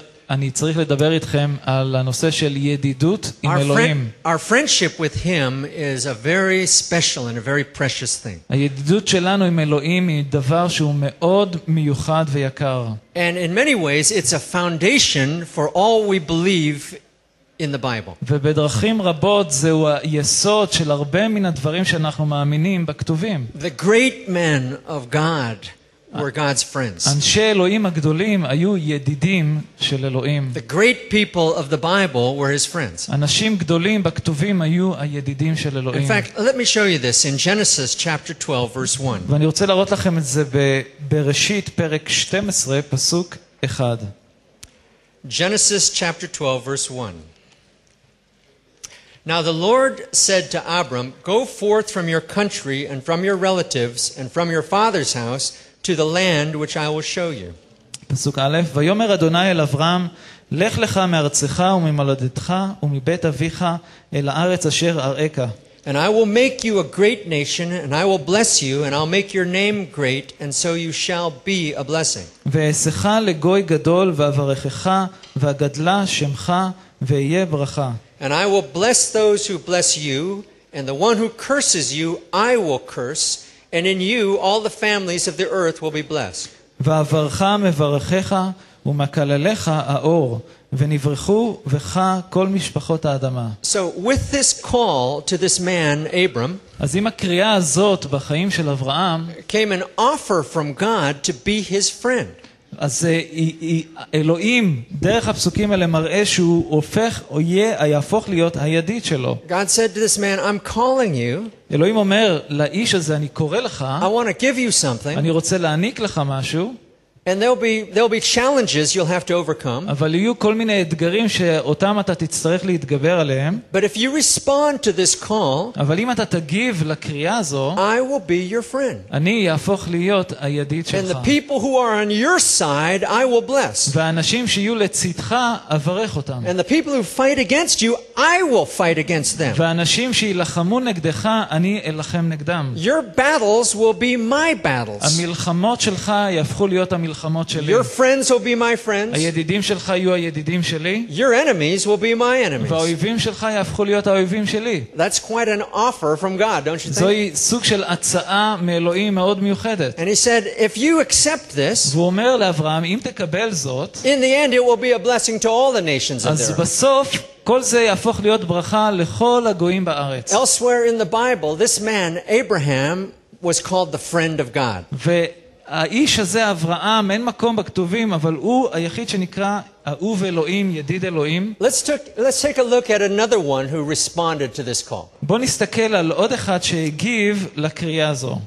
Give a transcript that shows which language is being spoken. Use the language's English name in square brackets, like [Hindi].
[Hebrew] אני צריך לדבר איתכם על הנושא של ידידות עם [English] our [Hebrew] אלוהים. [English] Our friendship with him is a very special and a very precious thing. [Hebrew] הידידות שלנו עם אלוהים היא דבר שהוא מאוד מיוחד ויקר. [English] And in many ways it's a foundation for all we believe in the Bible. [Hebrew] ובדרכים רבות זהו היסוד של הרבה מן הדברים שאנחנו מאמינים בכתובים. [English] The great men of God were God's friends. [Hebrew] אנשי אלוהים הגדולים היו ידידים של אלוהים. [English] The great people of the Bible were his friends. [Hebrew] אנשים גדולים בכתובים היו הידידים של אלוהים. [English] In fact, let me show you this in Genesis chapter 12 verse 1. [Hebrew] ואני רוצה להראות לכם את זה בראשית פרק 12 פסוק 1. [English] Genesis chapter 12 verse 1. Now the Lord said to Abram, go forth from your country and from your relatives and from your father's house to the land which I will show you. [Hebrew] פסוק א', ויאמר אדוני אל אברהם, לך לך מארצך וממולדתך ומבית אביך אל הארץ אשר אראך. [English] And I will make you a great nation, and I will bless you, and I'll make your name great, and so you shall be a blessing. [Hebrew] ואשך לגוי גדול ואברכך ואגדלה שמך ויהיה ברכה. [English] And I will bless those who bless you, and the one who curses you, I will curse, and in you all the families of the earth will be blessed. [Hebrew] ואברכה מברכך ומקללך האור ונברכו וכה כל משפחות האדמה. [English] So with this call to this man Abram, [Hebrew] אז עם הקריאה הזאת בחיים של אברהם, [English] came an offer from God to be his friend. [Hebrew] אז אלוהים דרך הפסוקים האלה מראה שהוא הופך או יהפוך להיות הידיד שלו. [English] God said to this man, I'm calling you. [Hebrew] אלוהים אומר לאיש הזה, אני קורא לך. [English] I want to give you something. [Hebrew] אני רוצה להעניק לך משהו. [English] And there'll be challenges you'll have to overcome. [Hebrew] אבל יהיו כל מיני אתגרים שאותם אתה תצטרך להתגבר עליהם. [English] But if you respond to this call, [Hebrew] אבל אם אתה תגיב לקריאה הזו, [English] I will be your friend. [Hebrew] אני יהפוך להיות הידיד שלך. [English] And the people who are on your side, I will bless. [Hebrew] ואנשים שיהיו לצדך, אברך אותם. [English] And the people who fight against you, I will fight against them. [Hebrew] ואנשים שילחמו נגדך, אני אלחם נגדם. [English] Your battles will be my battles. [Hebrew] המלחמות שלך יהפכו להיות המלחמות שלי. [English] Your friends will be my friends. [Hebrew] הידידים שלך יהיו הידידים שלי. [English] Your enemies will be my enemies. [Hebrew] והאויבים שלך יהפכו להיות האויבים שלי. [English] That's quite an offer from God, don't you think? [Hebrew] זוהי סוג של הצעה מאלוהים מאוד מיוחדת. [English] And he said, if you accept this, [Hebrew] והוא אומר לאברהם, אם תקבל זאת, [English] in the end it will be a blessing to all the nations of the earth. [Hebrew] אז בסוף כל זה יהפוך להיות ברכה לכל הגויים בארץ. [English] Elsewhere in the Bible, this man Abraham was called the friend of God. [Hebrew] האיש הזה אברהם אין מקום בכתובים אבל הוא היחיד שנקרא אהוב אלוהים ידיד אלוהים. [English] Let's take a look at another one who responded to this call. [Hebrew] בוא נסתכל על עוד אחד שהגיב לקריאה הזו.